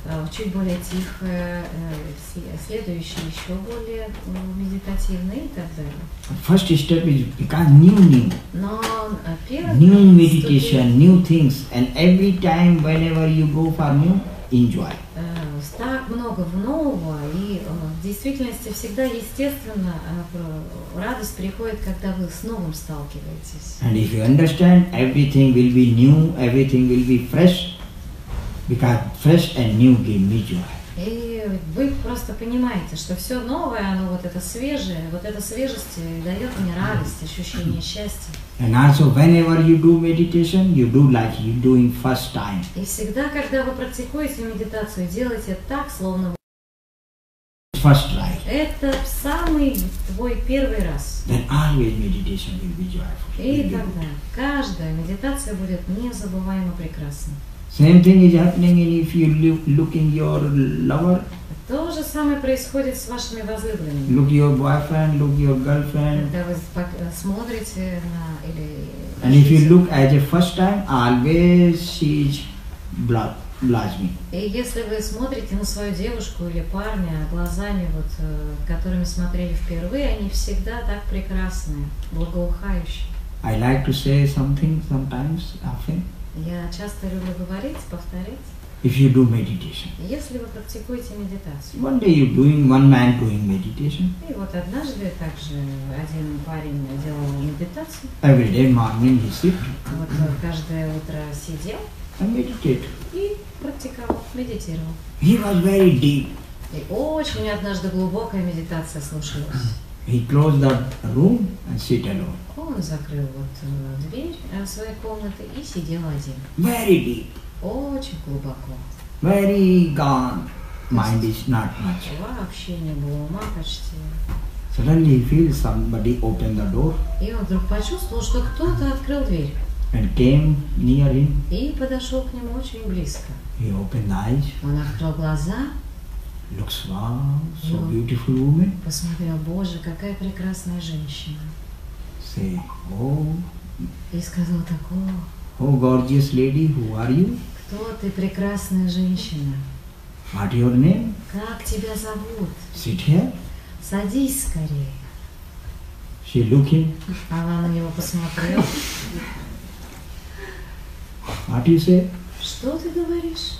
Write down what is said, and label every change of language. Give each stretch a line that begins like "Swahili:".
Russian: чуть более тихая, следующий еще более медитативный и так далее.
English: First step is become new.
Russian: Но
English: new meditation, new things, and every time, whenever you go for new, enjoy.
Russian: вас так много нового, и в действительности всегда, естественно, радость приходит, когда вы с новым сталкиваетесь.
English: And if you understand, everything will be new, everything will be fresh, because fresh and new give me joy.
Russian: И вы просто понимаете, что все новое, оно вот это свежее, вот эта свежесть дает мне радость, ощущение счастья.
English: And also, whenever you do meditation, you do like you're doing first time.
Russian: И всегда, когда вы практикуете медитацию, делайте так, словно
English: first try.
Russian: Это самый твой первый раз.
English: Then always meditation will be joyful.
Russian: И тогда каждая медитация будет незабываемо прекрасна.
English: Same thing is happening if you looking your lover.
Russian: То же самое происходит с вашими возлюбленными.
English: Look your boyfriend, look your girlfriend.
Russian: Когда вы смотрите на или.
English: And if you look at the first time, always she's blushing.
Russian: И если вы смотрите на свою девушку или парня глазами вот, которыми смотрели впервые, они всегда так прекрасные, благоухающие.
English: I like to say something sometimes, often.
Russian: Я часто люблю говорить, повторять.
English: If you do meditation.
Russian: Если вы практикуете медитацию.
English: One day you're doing, one man doing meditation.
Russian: И вот однажды также один парень делал медитацию.
English: Every day morning he sit.
Russian: Вот каждое утро сидел.
English: And meditate.
Russian: И практиковал, медитировал.
English: He was very deep.
Russian: И очень однажды глубокая медитация слушалась.
English: He closed the room and sit alone.
Russian: Он закрыл вот дверь своей комнаты и сидел один.
English: Very deep.
Russian: Очень глубоко.
English: Very gone. Mind is not much.
Russian: Вообще не было ума почти.
English: Suddenly he feels somebody opened the door.
Russian: И он вдруг почувствовал, что кто-то открыл дверь.
English: And came near him.
Russian: И подошел к нему очень близко.
English: He opened eyes.
Russian: Он открыл глаза.
English: Looks wow, so beautiful woman.
Russian: Посмотрел, Боже, какая прекрасная женщина.
English: Say, oh.
Russian: И сказал такого.
English: Oh, gorgeous lady, who are you?
Russian: Кто ты, прекрасная женщина?
English: What your name?
Russian: Как тебя зовут?
English: Sit here.
Russian: Садись скорее.
English: She looking.
Russian: Она на него посмотрела.
English: What you say?
Russian: Что ты говоришь?